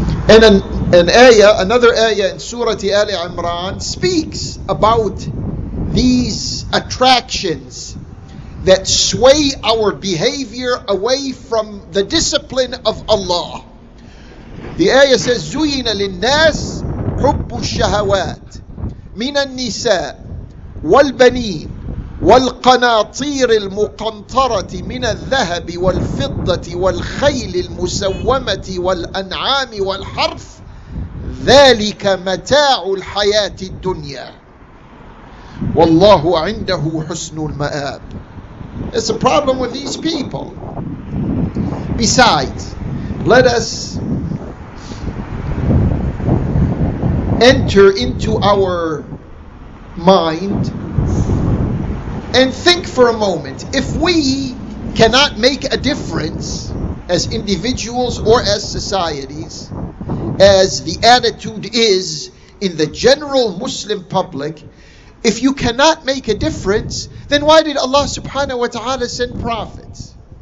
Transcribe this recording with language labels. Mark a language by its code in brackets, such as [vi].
[en] And another ayah in Surah Ali Imran speaks about these attractions that sway our behavior away from the discipline of Allah. The ayah says, [ar] زُيِّنَ لِلنَّاسِ حُبُّ الشَّهَوَاتِ مِنَ النِّسَاءِ وَالْبَنِينَ والقناطير المقنطرة من الذهب والفضة والخيل المسومة والأنعام والحرث ذلك متاع الحياة الدنيا والله عنده حسن المآب. [en] It's a problem with these people. Besides, let us enter into our mind and think for a moment, if we cannot make a difference as individuals or as societies, as the attitude is in the general Muslim public, if you cannot make a difference, then why did Allah subhanahu wa ta'ala send prophets?